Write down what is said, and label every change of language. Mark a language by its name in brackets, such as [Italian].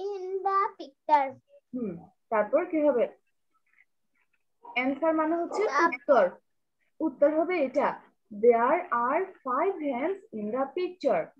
[English] How many are there in the picture? [Bangla] তারপর কি হবে? Answer মানে হচ্ছে উত্তর. উত্তর হবে এটা. [English] There are five hands in the picture.